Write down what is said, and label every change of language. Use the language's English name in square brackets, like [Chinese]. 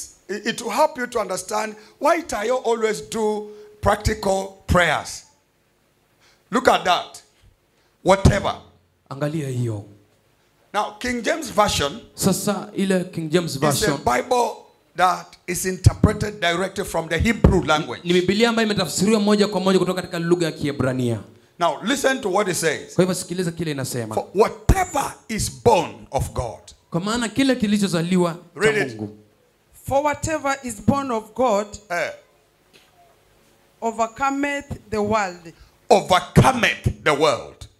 [English] It will help you to understand why Tayo always do practical prayers. Look at that. Whatever. [Swahili] Angalia hiyo. [English] Now King James version. [Swahili] Sasa ile King James version. [English] It's a Bible that is interpreted directly from the Hebrew language. [Swahili] Ni Biblia ambayo imetafsiriwa moja kwa moja kutoka katika lugha ya Kiebrania. [English] Now listen to what it says. [Swahili] Kwa hivyo sikiliza kile inasema. [English] For whatever is born of God. [Swahili] Kwa maana kile kilichozaliwa cha Mungu. [English] For whatever is born of God overcometh the world. Overcometh the world.